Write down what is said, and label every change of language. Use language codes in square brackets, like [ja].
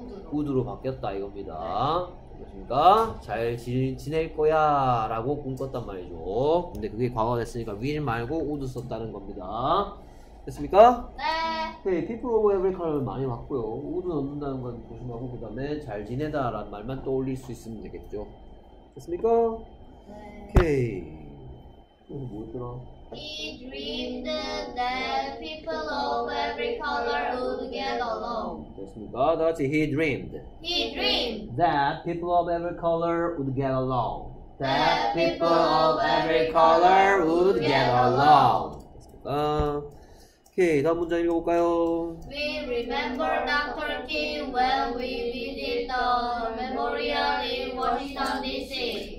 [ko] 우드로 바뀌었다 이겁니다. 그러니까 잘 지낼 거야라고 꿈꿨단 말이죠. 근데 그게 과거가 됐으니까 will 말고 would 썼다는 겁니다. 됐습니까? 네. 오케이, [en] people of every color [ko] 많이 왔고요. would 넣는다는 건 조심하고 그다음에 잘 지내다라는 말만 떠올릴 수 있으면 되겠죠. 됐습니까? 오케이. 뭐였더라? [en] He dreamed that people of every color would get along. [ko] 됐습니다. 다 같이 [en] he dreamed He dreamed that people of every color would get along. That people of every color would get along. [ko] 오케이, 다음 문장 읽어볼까요? [en] We remember Dr. Kim when we visit the memorial in Washington, D.C.